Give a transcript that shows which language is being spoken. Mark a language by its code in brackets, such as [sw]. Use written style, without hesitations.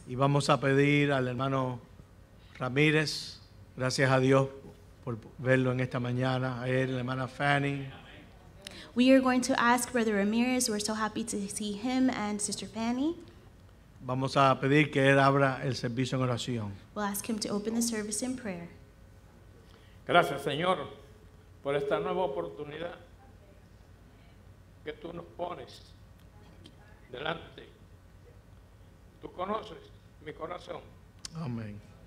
[es] Y vamos a pedir al hermano Ramírez, gracias a Dios por verlo en esta mañana, a él, la hermana Fanny. [en] We are going to ask Brother Ramirez, we're so happy to see him, and Sister Fanny. [es] Vamos a pedir que él abra el servicio en oración. [en] We'll ask him to open the service in prayer. [es] Gracias, Señor, por esta nueva oportunidad que tú nos pones delante. Tú conoces mi corazón. Amén.